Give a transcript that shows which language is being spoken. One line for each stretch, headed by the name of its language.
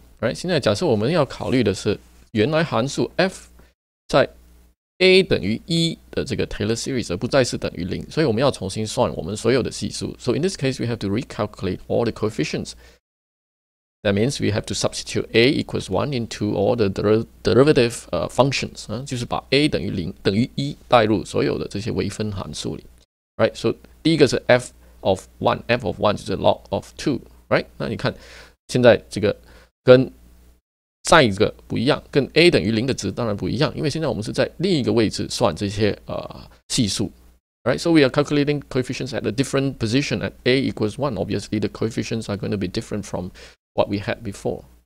English: Right?
Chinese: 现在假设我们要考虑的是原来函数 f 在 a 等于1的这个 Taylor series 而不再是等于0，所以我们要重新算我们所有的系数。
English: So in this case, we have to recalculate all the coefficients. That means we have to substitute a equals 1 into all the derivative functions.
Chinese: 就是把 a 等于 0, 等于1带入所有的这些微分函数里。
English: Right? So
Chinese: 第一个是
English: f of 1, f of 1
Chinese: 就是
English: log of 2. Right?
Chinese: 那你看现在这个跟上一个不一样，跟 a 等于0的值当然不一样，因为现在我们是在另一个位置算这些系数。
English: Right, so we are calculating coefficients at a different position at a equals 1. Obviously, the coefficients are going to be different from what we had before.